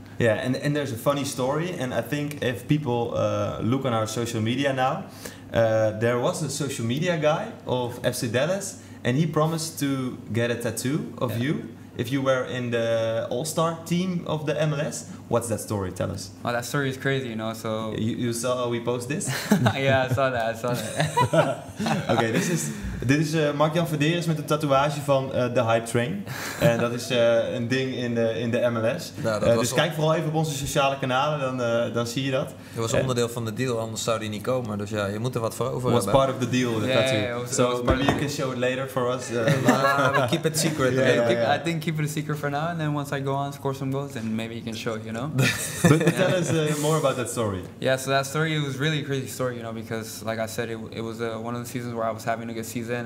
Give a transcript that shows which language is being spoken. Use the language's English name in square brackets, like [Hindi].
[English] Yeah, and there's a funny story, and I think if people look on our social media now, there was a social media guy of FC Dallas, and he promised to get a tattoo of you if you were in the All-Star team of the MLS. What's that story? Tell us. Oh, that story is crazy, you know, so... You saw we post this? Yeah, I saw that. Okay, this is Mark-Jan Verderes [Dutch] met een tatoeage van [English] The Hype Train. [Dutch] En dat is een ding in de MLS. Nou, dus kijk vooral even op onze sociale kanalen, dan zie je dat. Het was onderdeel van de deal, anders zou die niet komen. Dus ja, je moet er wat voor over hebben. [English] Part of the deal, the tattoo. Yeah, maybe you can show it later for us. We keep it secret. Yeah, yeah. I think keep it a secret for now. And then once I go on, score some goals, then maybe you can show it, you know? But tell us more about that story. Yeah, so that story, it was really a crazy story, you know, because like I said, it was one of the seasons where I was having a good season.